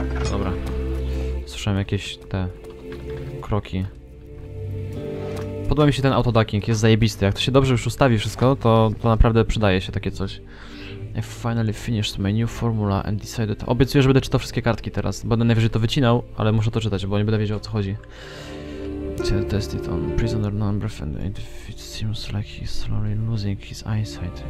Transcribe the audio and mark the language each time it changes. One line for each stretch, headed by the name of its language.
Polish: Dobra. Słyszałem jakieś te kroki. Podoba mi się ten autoducking, jest zajebisty. Jak to się dobrze już ustawi wszystko, to naprawdę przydaje się takie coś.
English: I finally finished my new formula and decided...
Polish: Obiecuję, że będę czytał wszystkie kartki teraz. Będę najwyżej to wycinał, ale muszę to czytać, bo nie będę wiedział, o co chodzi.
English: Test it on prisoner number and if it seems like he's slowly losing his eyesight.